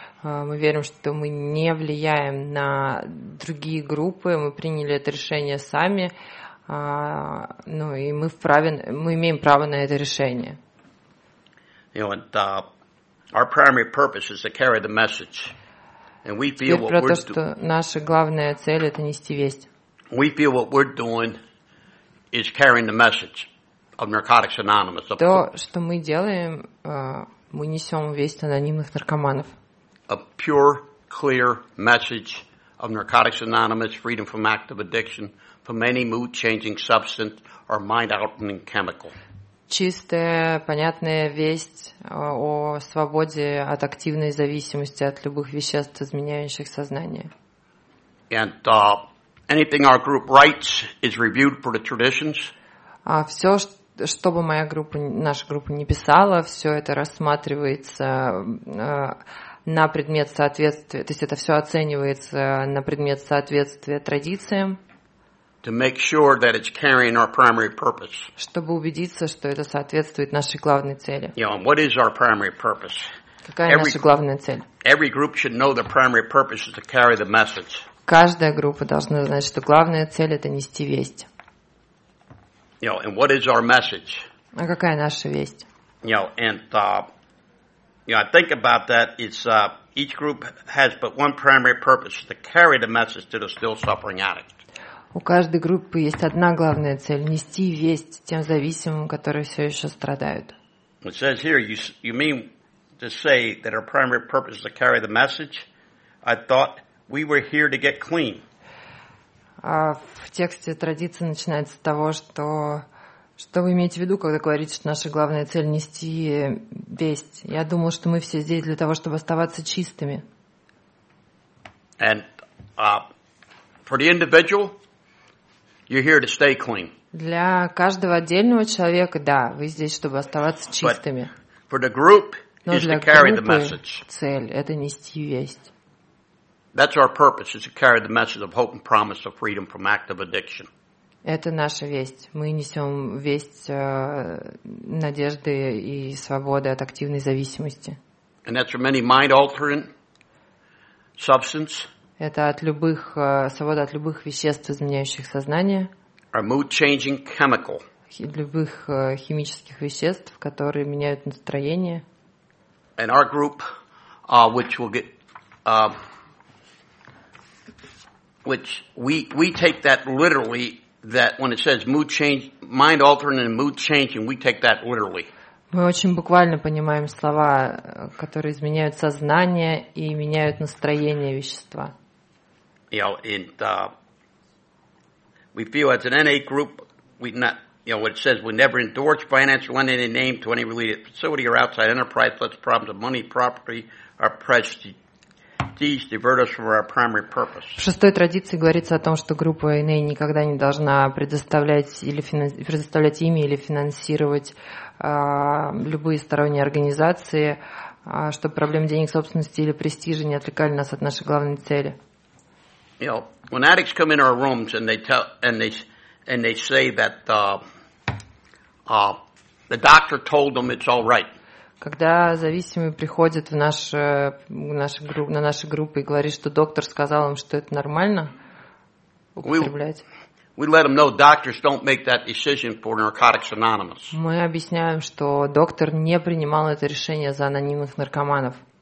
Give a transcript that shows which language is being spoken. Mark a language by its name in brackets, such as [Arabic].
[Russian] Мы верим, что мы не влияем на другие группы. Мы приняли это решение сами. Ну и мы вправе, мы имеем право на это решение. [English] You know, and our primary purpose is to carry the message. And we feel [Russian] теперь про то, что наша главная цель – это нести весть. [English] We feel what we're doing is carrying the message of Narcotics Anonymous. [Russian] То, что мы делаем, мы несем весть анонимных наркоманов. [English] A pure, clear message of Narcotics Anonymous, freedom from active addiction, from any mood-changing substance or mind-altering chemical. [Russian] Чистая, понятная весть о свободе от активной зависимости от любых веществ, изменяющих сознание. [English] And anything our group writes is reviewed for the traditions. [Russian] Все, что бы моя группа, наша группа не писала, все это рассматривается на предмет соответствия, то есть это все оценивается на предмет соответствия традициям. [English] To make sure that it's carrying our primary purpose. [Russian] Чтобы убедиться, что это соответствует нашей главной цели. [English] You know, what is our primary purpose? [Russian] Какая наша главная цель? [English] Every group should know the primary purpose is to carry the message. [Russian] Каждая группа должна знать, что главная цель – это нести весть. [English] You know, and what is our message? [Russian] А какая наша весть? [English] You know, and you know, I think about that. It's each group has but one primary purpose to carry the message to the still suffering addict. [Russian] У каждой группы есть одна главная цель – нести весть тем зависимым, которые все еще страдают. [English] It says here, you mean to say that our primary purpose is to carry the message? I thought we were here to get clean. [Russian] В тексте традиции начинается с того, что вы имеете в виду, когда говорите, что наша главная цель – нести весть. Я думал, что мы все здесь для того, чтобы оставаться чистыми. [English] And for the individual… You're here to stay clean. [Russian] Для каждого отдельного человека, да, вы здесь, чтобы оставаться чистыми. [English] But for the group is to carry the message. [Russian] Цель – это нести весть. [English] That's our purpose, is to carry the message of hope and promise of freedom from active addiction. [Russian] Это наша весть. Мы несем весть надежды и свободы от активной зависимости. [English] And that's from any mind-altering substance. [Russian] Это от любых, свобода от любых веществ, изменяющих сознание. [English] Our mood-changing chemical. [Russian] Любых химических веществ, которые меняют настроение. [English] And our group, which will get, which we take that literally, that when it says mood change, mind-altering and mood-changing, we take that literally. [Russian] Мы очень буквально понимаем слова, которые изменяют сознание и меняют настроение вещества. [English] You know, and we feel as an NA group, we not, you know, what it says, we never endorse financial lending in any name to any related facility or outside enterprise. Let's problems of money, property, or prestige divert us from our primary purpose. [Russian] В шестой традиции говорится о том, что группа NA никогда не должна предоставлять имя или финансировать любые сторонние организации, чтобы проблемы денег, собственности или престижа не отвлекали нас от нашей главной цели. [English] You know, when addicts come in our rooms and they say that the doctor told them it's all right. [Russian] Когда зависимый приходит в наши группы и говорит, что доктор сказал им, что это нормально употреблять, мы объясняем, что доктор не принимал это решение за анонимных наркоманов.